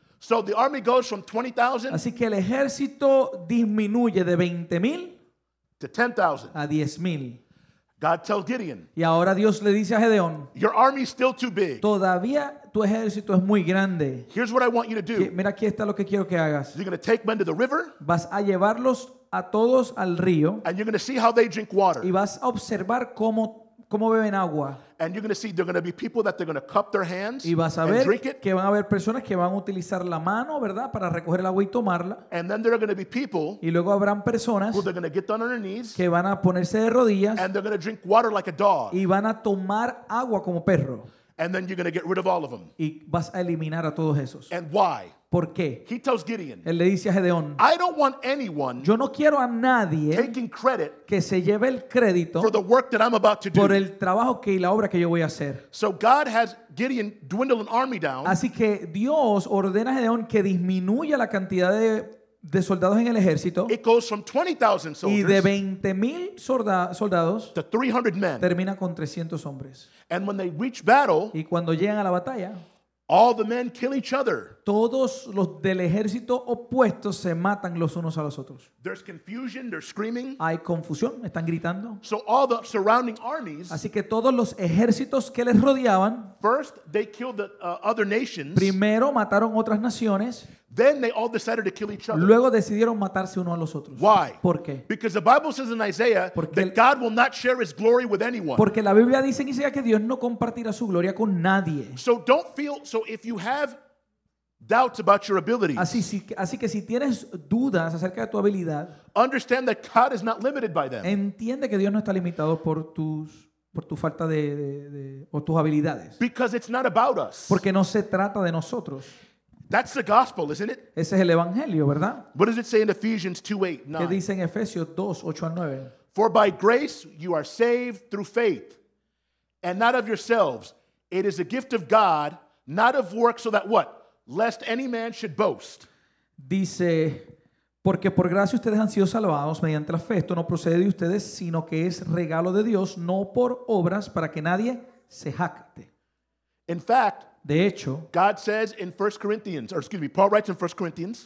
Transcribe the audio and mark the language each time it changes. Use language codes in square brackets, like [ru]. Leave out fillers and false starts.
[en] So the army goes from 20,000, [es] así que el ejército disminuye de 20,000 [en] to 10,000. [es] A 10,000. [en] God tells Gideon. [es] Y ahora Dios le dice a Gedeón. [en] Your army is still too big. [es] Todavía tu ejército es muy grande. [en] Here's what I want you to do. [es] Mira, aquí está lo que quiero que hagas. [en] You're going to take men to the river. [es] Vas a llevarlos a todos al río. [en] And you're going to see how they drink water. [es] Y vas a observar cómo beben agua. [en] And you're going to see there are going to be people that they're going to cup their hands [es] y vas a ver [en] and drink it. [es] Que van a haber personas que van a utilizar la mano, ¿verdad?, para recoger el agua y tomarla. [en] And then there are going to be people [es] y luego habrán personas [en] who they're going to get down on their knees [es] que van a ponerse de rodillas [en] and they're going to drink water like a dog. [es] Y van a tomar agua como perro. [en] And then you're going to get rid of all of them. [es] Y vas a eliminar a todos esos. [en] And why? [es] ¿Por qué? [en] He tells Gideon. [es] Él le dice a Gedeón. [en] I don't want anyone. [es] Yo no quiero a nadie. [en] Taking credit. [es] Que se lleve el crédito. [en] For the work that I'm about to do. [es] Por el trabajo que y la obra que yo voy a hacer. [en] So God has Gideon dwindle an army down. [es] Así que Dios ordena a Gedeón que disminuya la cantidad de soldados en el ejército. [en] It goes from 20,000 soldiers. [es] Y de 20,000 soldados. [en] To 300 men. [es] Termina con 300 hombres. [en] And when they reach battle. [es] Y cuando llegan a la batalla. [en] All the men kill each other. [es] Todos los del ejército opuesto se matan los unos a los otros. [en] There's confusion, they're screaming. [es] Hay confusión, están gritando. [en] So all the surrounding armies. [es] Así que todos los ejércitos que les rodeaban. [en] First they killed the other nations. [es] Primero mataron otras naciones. [en] Then they all decided to kill each other. [es] Luego decidieron matarse uno a los otros. [en] Why? [es] ¿Por qué? [en] Because the Bible says in Isaiah that God will not share his glory with anyone. [es] Porque la Biblia dice en Isaías que Dios no compartirá su gloria con nadie. [en] So don't feel so if you have doubts about your abilities. [es] Así que si tienes dudas acerca de tu habilidad, [en] understand that God is not limited by them. [es] Entiende que Dios no está limitado por tu falta de o tus habilidades. [en] Because it's not about us. [es] Porque no se trata de nosotros. [en] That's the gospel, isn't it? [es] Ese es el evangelio, ¿verdad? [en] What does it say in Ephesians 2:8? [es] ¿Qué dice en Efesios 2, 8 al 9? [en] For by grace you are saved through faith, and not of yourselves. It is a gift of God, not of works, so that what? Lest any man should boast. [es] Dice, porque por gracia ustedes han sido salvados mediante la fe. Esto no procede de ustedes, sino que es regalo de Dios, no por obras, para que nadie se jacte. [en] In fact, [es] de hecho, [en] God says in 1 Corinthians, or excuse me, Paul writes in 1 Corinthians,